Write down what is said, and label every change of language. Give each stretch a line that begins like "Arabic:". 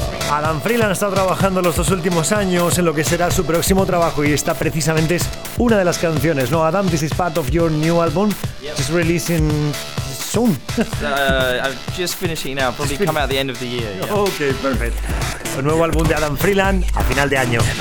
Spanish: Adam Freeland ha estado trabajando los dos últimos años en lo que será su próximo trabajo y esta precisamente es una de las canciones, ¿no?
English: Adam, this is part of your new album. Yep. It's releasing soon. I'm just finishing now. Probably come out the end of the year. Yeah. Okay, perfect.
Spanish: El nuevo álbum de Adam Freeland a final de año.